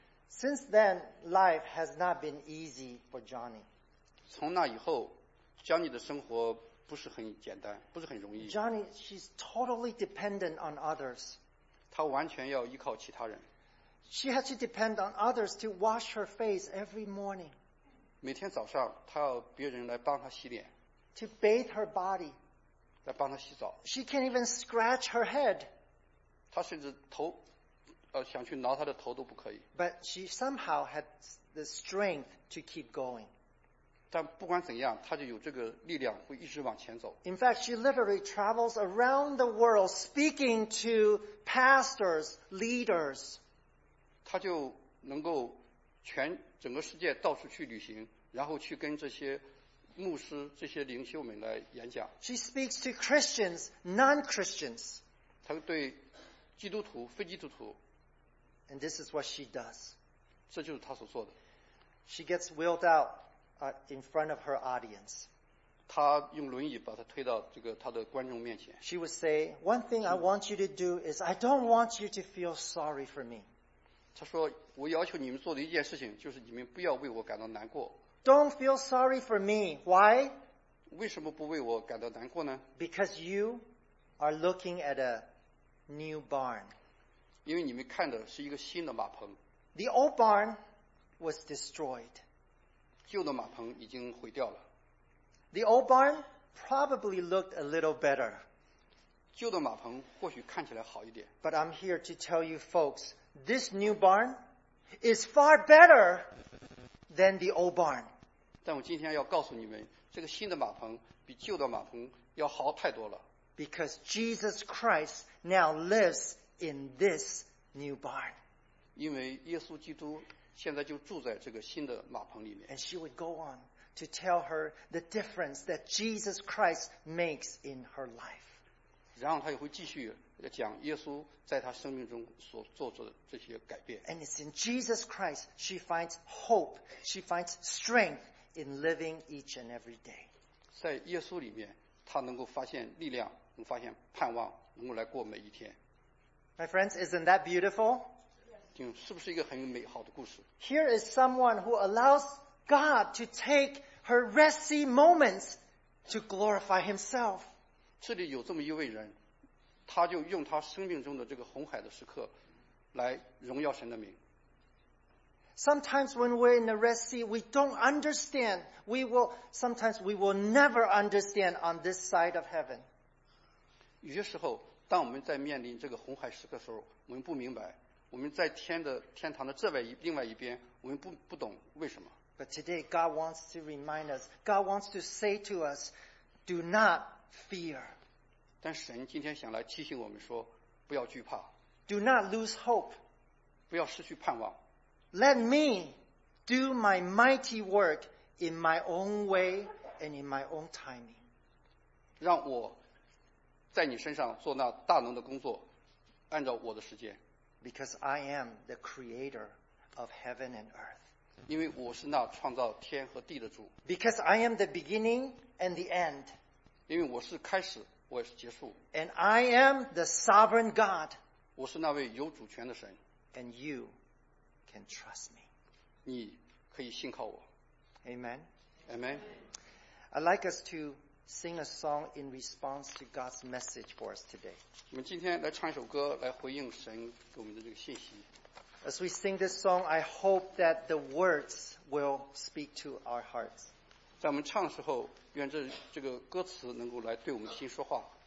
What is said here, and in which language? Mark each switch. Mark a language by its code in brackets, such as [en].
[en] Since then, life has not been easy for Johnny. [zh] 从那以后， Johnny 的生活不是很简单，不是很容易。 [en] Johnny, she's totally dependent on others. [zh] 她完全要依靠其他人。 [en] She has to depend on others to wash her face every morning. [zh] 每天早上，她要别人来帮她洗脸。 [en] To bathe her body. [zh] 来帮她洗澡。 [en] She can't even scratch her head. [zh] 她甚至头，想去挠她的头都不可以。 [en] But she somehow had the strength to keep going. [zh] 但不管怎样，她就有这个力量，会一直往前走。 [en] In fact, she literally travels around the world speaking to pastors, leaders. [zh] 她就能够全整个世界到处去旅行，然后去跟这些牧师这些领袖们来演讲。 [en] She speaks to Christians, non-Christians. [zh] 她对基督徒、非基督徒。 [en] And this is what she does. [zh] 这就是她所做的。 [en] She gets wheeled out in front of her audience. [zh] 她用轮椅把她推到这个她的观众面前。 [en] She would say, "One thing I want you to do is I don't want you to feel sorry for me." [zh] 她说，我要求你们做的一件事情就是你们不要为我感到难过。 [en] Don't feel sorry for me. Why? [zh] 为什么不为我感到难过呢？ [en] Because you are looking at a new barn. [zh] 因为你们看的是一个新的马棚。 [en] The old barn was destroyed. [zh] 旧的马棚已经毁掉了。 [en] The old barn probably looked a little better. [zh] 旧的马棚或许看起来好一点。 [en] But I'm here to tell you folks, this new barn is far better than the old barn. [zh] 但我今天要告诉你们，这个新的马棚比旧的马棚要好太多了。 [en] Because Jesus Christ now lives in this new barn. [zh] 因为耶稣基督现在就住在这个新的马棚里面。 [en] And she would go on to tell her the difference that Jesus Christ makes in her life. [zh] 然后她也会继续讲耶稣在她生命中所做的这些改变。 [en] And it's in Jesus Christ she finds hope, she finds strength in living each and every day. [zh] 在耶稣里面，她能够发现力量，能发现盼望，能够来过每一天。 [en] My friends, isn't that beautiful? [zh] 是不是一个很美好的故事？ [en] Here is someone who allows God to take her resty moments to glorify himself. [zh] 这里有这么一位人，他就用他生命中的这个红海的时刻来荣耀神的名。 [en] Sometimes when we're in the Red Sea, we don't understand. Sometimes we will never understand on this side of heaven. [zh] 有些时候，当我们在面临这个红海时刻的时候，我们不明白，我们在天堂的另外一边，我们不懂为什么。 [en] But today God wants to remind us, God wants to say to us, do not fear. [zh] 但神今天想来提醒我们说，不要惧怕。 [en] Do not lose hope. [zh] 不要失去盼望。 [en] Let me do my mighty work in my own way and in my own timing. [zh] 让我在你身上做那大能的工作，按照我的时间。 [en] Because I am the creator of heaven and earth. [zh] 因为我是那创造天和地的主。 [en] Because I am the beginning and the end. [zh] 因为我是开始。 [en] And I am the sovereign God. [zh] 我是那位有主权的神。 [en] And you can trust me. [zh] 你可以信靠我。 [en] Amen. Amen. I'd like us to sing a song in response to God's message for us today. [zh] 我们今天来唱一首歌，来回应神给我们的这个信息。 [en] As we sing this song, I hope that the words will speak to our hearts. [zh] 在我们唱的时候，愿这个歌词能够来对我们心说话。